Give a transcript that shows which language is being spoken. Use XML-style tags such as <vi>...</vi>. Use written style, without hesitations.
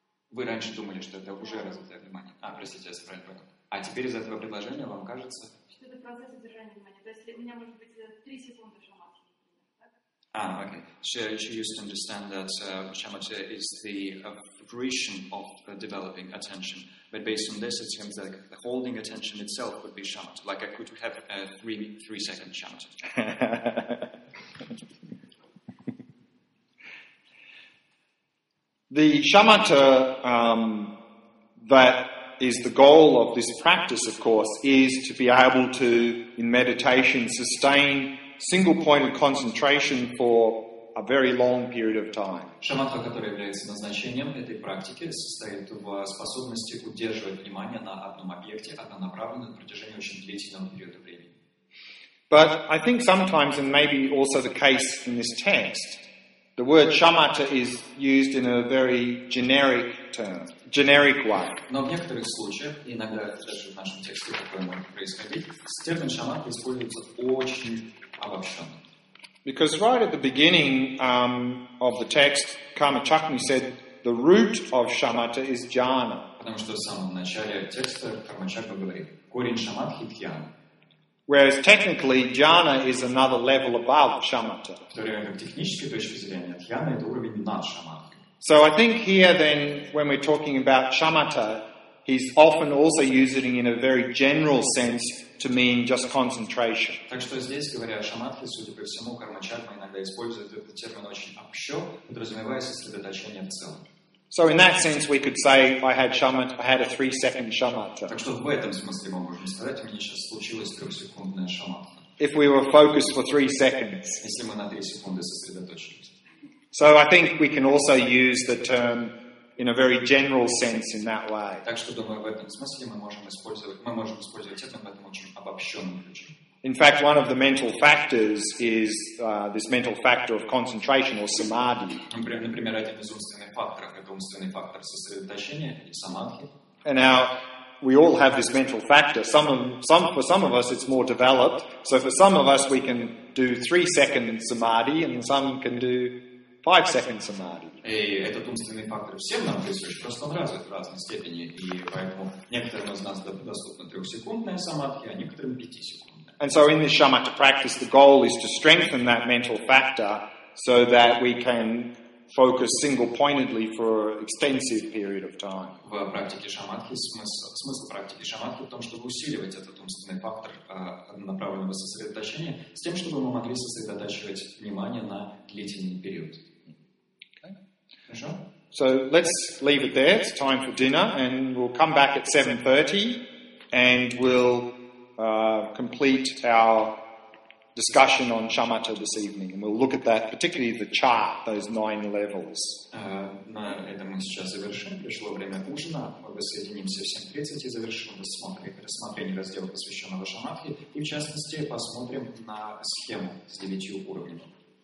<ru>Вы раньше думали, что это уже развитое внимание. А, простите, я собрал это. А теперь из этого предложения вам кажется... Что это процесс удержания внимания. То есть у меня может быть 3 секунды шамат. Так? Окей.</ru> <en>She used to understand that shamatha is the fruition of developing attention. But based on this, it seems that like holding attention itself would be shamatha. Like I could have a 3-second shamatha. The shamatha that is the goal of this practice, of course, is to be able to, in meditation, sustain single-pointed concentration for a very long period of time.</en> <ru>Шамадха, которая является назначением этой практики, состоит в способности удерживать внимание на одном объекте, однонаправленно на протяжении очень длительного периода времени.</ru> <en>But I think sometimes, and maybe also the case in this text, the word shamatha is used in a very generic term, generic way.</en> <ru>Но в некоторых случаях, иногда даже в нашем тексте, такое может происходить, термин шамат используется очень обобщенно.</ru> <en>Because right at the beginning of the text, Karma Chakmi said the root of shamatha is jhana.</en> <ru>Потому что в самом начале текста Карма Чакма говорит, корень шамадхи – дхьяна.</ru> <en>Whereas technically, jhana is another level above shamatha.</en> <ru>В технической точке зрения, дхьяна – это уровень над шамадхи.</ru> <en>So I think here then, when we're talking about shamatha, he's often also using it in a very general sense to mean just concentration.</en> <ru>Так что здесь, говоря о шамадхе, судя по всему, Карма Чакма иногда использует этот термин очень общо, подразумевая сосредоточение в целом.</ru> <en>So in that sense, we could say, I had a 3-second shamatha.</en> <ru>Так что в этом смысле мы можем сказать, у меня сейчас случилось 3-секундное шамадха.</ru> <en>If we were focused for 3 seconds.</en> <ru>Если мы на 3 секунды сосредоточились.</ru> <en>So I think we can also use the term in a very general sense in that way.</en> <ru>Так что, думаю, в этом смысле мы можем использовать термин в этом очень обобщенном ключе.</ru> <en>In fact, one of the mental factors is this mental factor of concentration or samadhi.</en> <ru>Например, один из умственных факторов – это умственный фактор сосредоточения или самадхи.</ru> <en>And now, we all have this mental factor. For some of us, it's more developed. So for some of us, we can do 3-second samadhi, and some can do 5-second samadhi.</en> <ru>И этот умственный фактор всем нам присущ, просто он развит в разной степени. И поэтому некоторым из нас доступно 3-секундное самадхи, а некоторым 5-секундное.</ru> <en>And so in this shamatha practice, the goal is to strengthen that mental factor so that we can focus single-pointedly for an extensive period of time.</en> <ru>В практике шамадхи, смысл практики шамадхи в том, чтобы усиливать этот умственный фактор направленного сосредоточения с тем, чтобы мы могли сосредотачивать внимание на длительный период.</ru> <en>So let's leave it there. It's time for dinner. And we'll come back at 7:30 and we'll complete our discussion on shamatha this evening. And we'll look at that, particularly the chart, those 9 levels.</en> <ru>На этом мы сейчас завершим. Пришло время ужина. Мы воссоединимся в 7:30 и завершим рассмотрение раздела, посвященного шамадхе. И в частности, посмотрим на схему с 9 уровнями.</ru>